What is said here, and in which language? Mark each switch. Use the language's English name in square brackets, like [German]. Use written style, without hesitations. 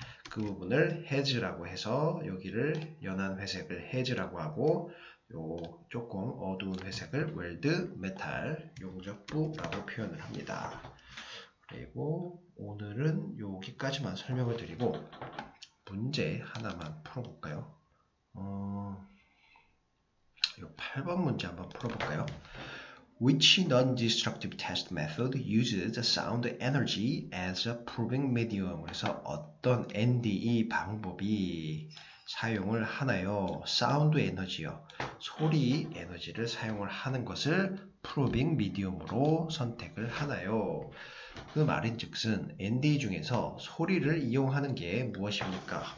[Korean] 그 부분을 해즈라고 해서 여기를 연한 회색을 해즈라고 하고, 요 조금 어두운 회색을 웰드 메탈 용접부라고 표현을 합니다. 그리고 오늘은 여기까지만 설명을 드리고 문제 하나만 풀어볼까요? 요 8번 문제 한번 풀어볼까요? [English] Which non-destructive test method uses sound energy as a proving medium? [Korean] 그래서 어떤 NDE 방법이 사용을 하나요? [English] Sound energy요. [Korean] 소리 에너지를 사용을 하는 것을 [English] proving medium [Korean] 으로 선택을 하나요? 그 말인즉슨 ND 중에서 소리를 이용하는 게 무엇입니까?